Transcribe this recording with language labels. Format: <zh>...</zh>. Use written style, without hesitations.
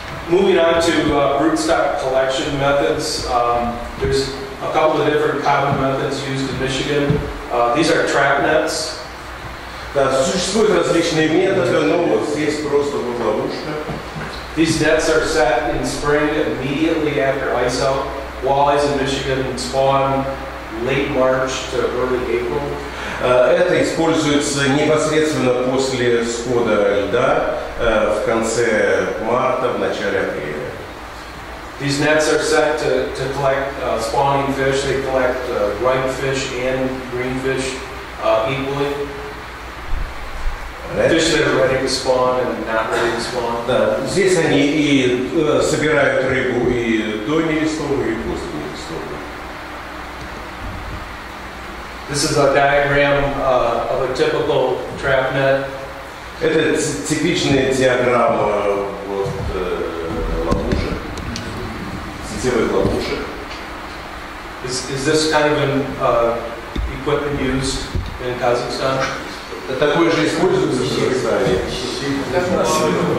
<en>Moving on to broodstock collection methods. There's a couple of different common methods used in Michigan. These are trap nets.</en> <ru>Да, существуют различные методы, но вот здесь просто вот ловушка.</ru> <en>These nets are set in spring immediately after ice out. Walleyes in Michigan spawn late March to early April.</en> <ru>Это используется непосредственно после схода льда в конце марта, в начале апреля.</ru> <en>These nets are set to collect spawning fish. They collect ripe fish and green fish equally. Fish that are ready to spawn and not ready to spawn.</en> <ru>Да, здесь они и собирают рыбу и до нерестовой, и после нерестовой.</ru> <en>This is a diagram of a typical trap net.</en> <ru>Это типичная диаграмма вот, ловушек, сетевых ловушек.</ru> <en>Is this kind of an equipment used in Kazakhstan?</en> <ru>Такое же используется в Казахстане.</ru>